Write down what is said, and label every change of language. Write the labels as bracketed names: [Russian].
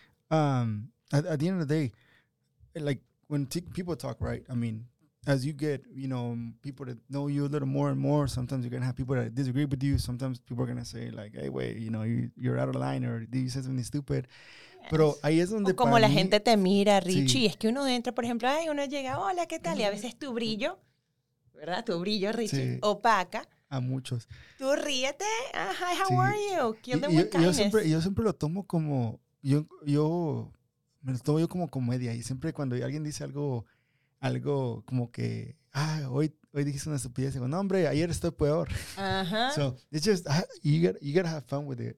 [English] That's where I think at the end of the day, like when people talk, right? I mean, as you get, you know, people that know you a little more and more, sometimes you're going to have people that disagree with you. Sometimes people are going to say, like, hey, wait, you know, you're out of line or you said something stupid. [Spanish] Pero ahí es donde o como la gente te mira, Richie. Sí. Es que uno entra, por ejemplo, ay, uno llega, hola, ¿qué tal? Y a veces tu brillo, ¿verdad? Tu brillo, Richie, sí. Opaca. A muchos. Tú ríete. [English] Hi, how sí. are you? Kill them with kindness. [Spanish] Yo siempre lo tomo como, yo me lo tomo yo como comedia. Y siempre cuando alguien dice algo como que, ah, hoy dijiste una estupidez. Digo, no, hombre, ayer estoy peor. Uh-huh. [English] So, it's just, you gotta have fun with it.